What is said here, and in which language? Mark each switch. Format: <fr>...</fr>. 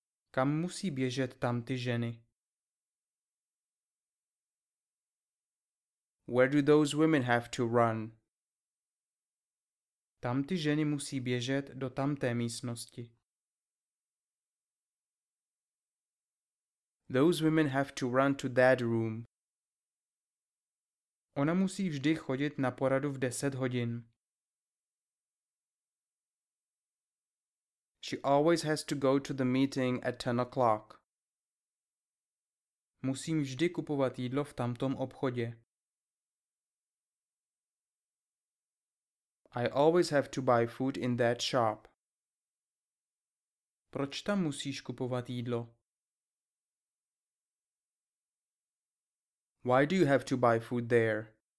<cs>Kam musí běžet tam ty ženy?</cs> <en>Where do those women have to run?</en> <cs>Tam ty ženy musí běžet do tamté místnosti.</cs> <en>Those women have to run to that room.</en> <cs>Ona musí vždy chodit na poradu v 10 hodin.</cs> <en>She always has to go to the meeting at 10 o'clock.</en> <cs>Musím vždy kupovat jídlo v tamtom obchodě.</cs> <en>I always have to buy food in that shop.</en> <cs>Proč tam musíš kupovat jídlo?</cs> <en>Why do you have to buy food there?</en>